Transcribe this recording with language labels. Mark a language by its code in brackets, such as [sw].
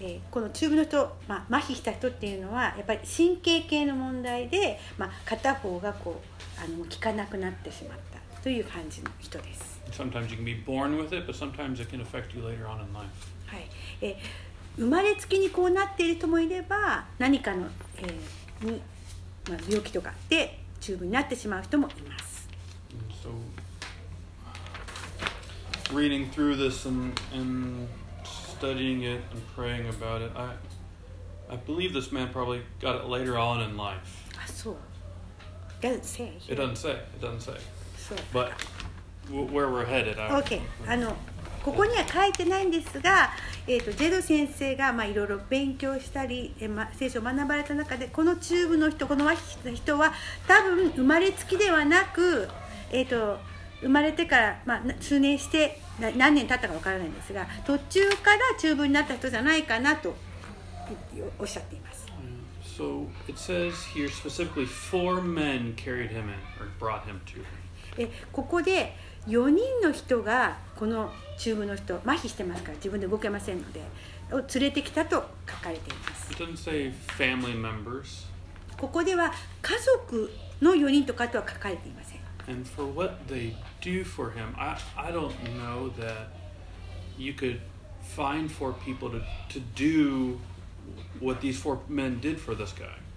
[ja] この中部の人、まあ、麻痺した人っていうのはやっぱり神経系の問題で、まあ、片方がこう効かなくなってしまったという感じの人です。 [en] Sometimes you can be born with it, but sometimes it can affect you later on in life. [ja] はい、生まれつきにこうなっている人もいれば何かの、にまあ、病気とかでチューブになってしまう人もいます。 [en] So, reading through this and studying it and praying about it, I believe this man probably got it later on in life. [ja] あ、そう。 [en] Doesn't say. It doesn't say. So. But where we're headed, I okay. [ja] ここには書いてないんですが、ジェド先生がいろいろ勉強したり、聖書を学ばれた中で、この中部の人、この麻痺した人は多分生まれつきではなく、生まれてから、まあ、数年して何年経ったかわからないんですが、途中から中部になった人じゃないかなとおっしゃっています。 [en] So it says here specifically four men carried him in or brought him to him. [ja] ここで4人の人がこの中部の人麻痺してますから自分で動けませんのでを連れてきたと書かれています。 [en] It doesn't say family members. [ja] ここでは家族の4人とかとは書かれていません。 [en] And for what they do for him, I don't know that you could find four people to do what these four men did for this guy.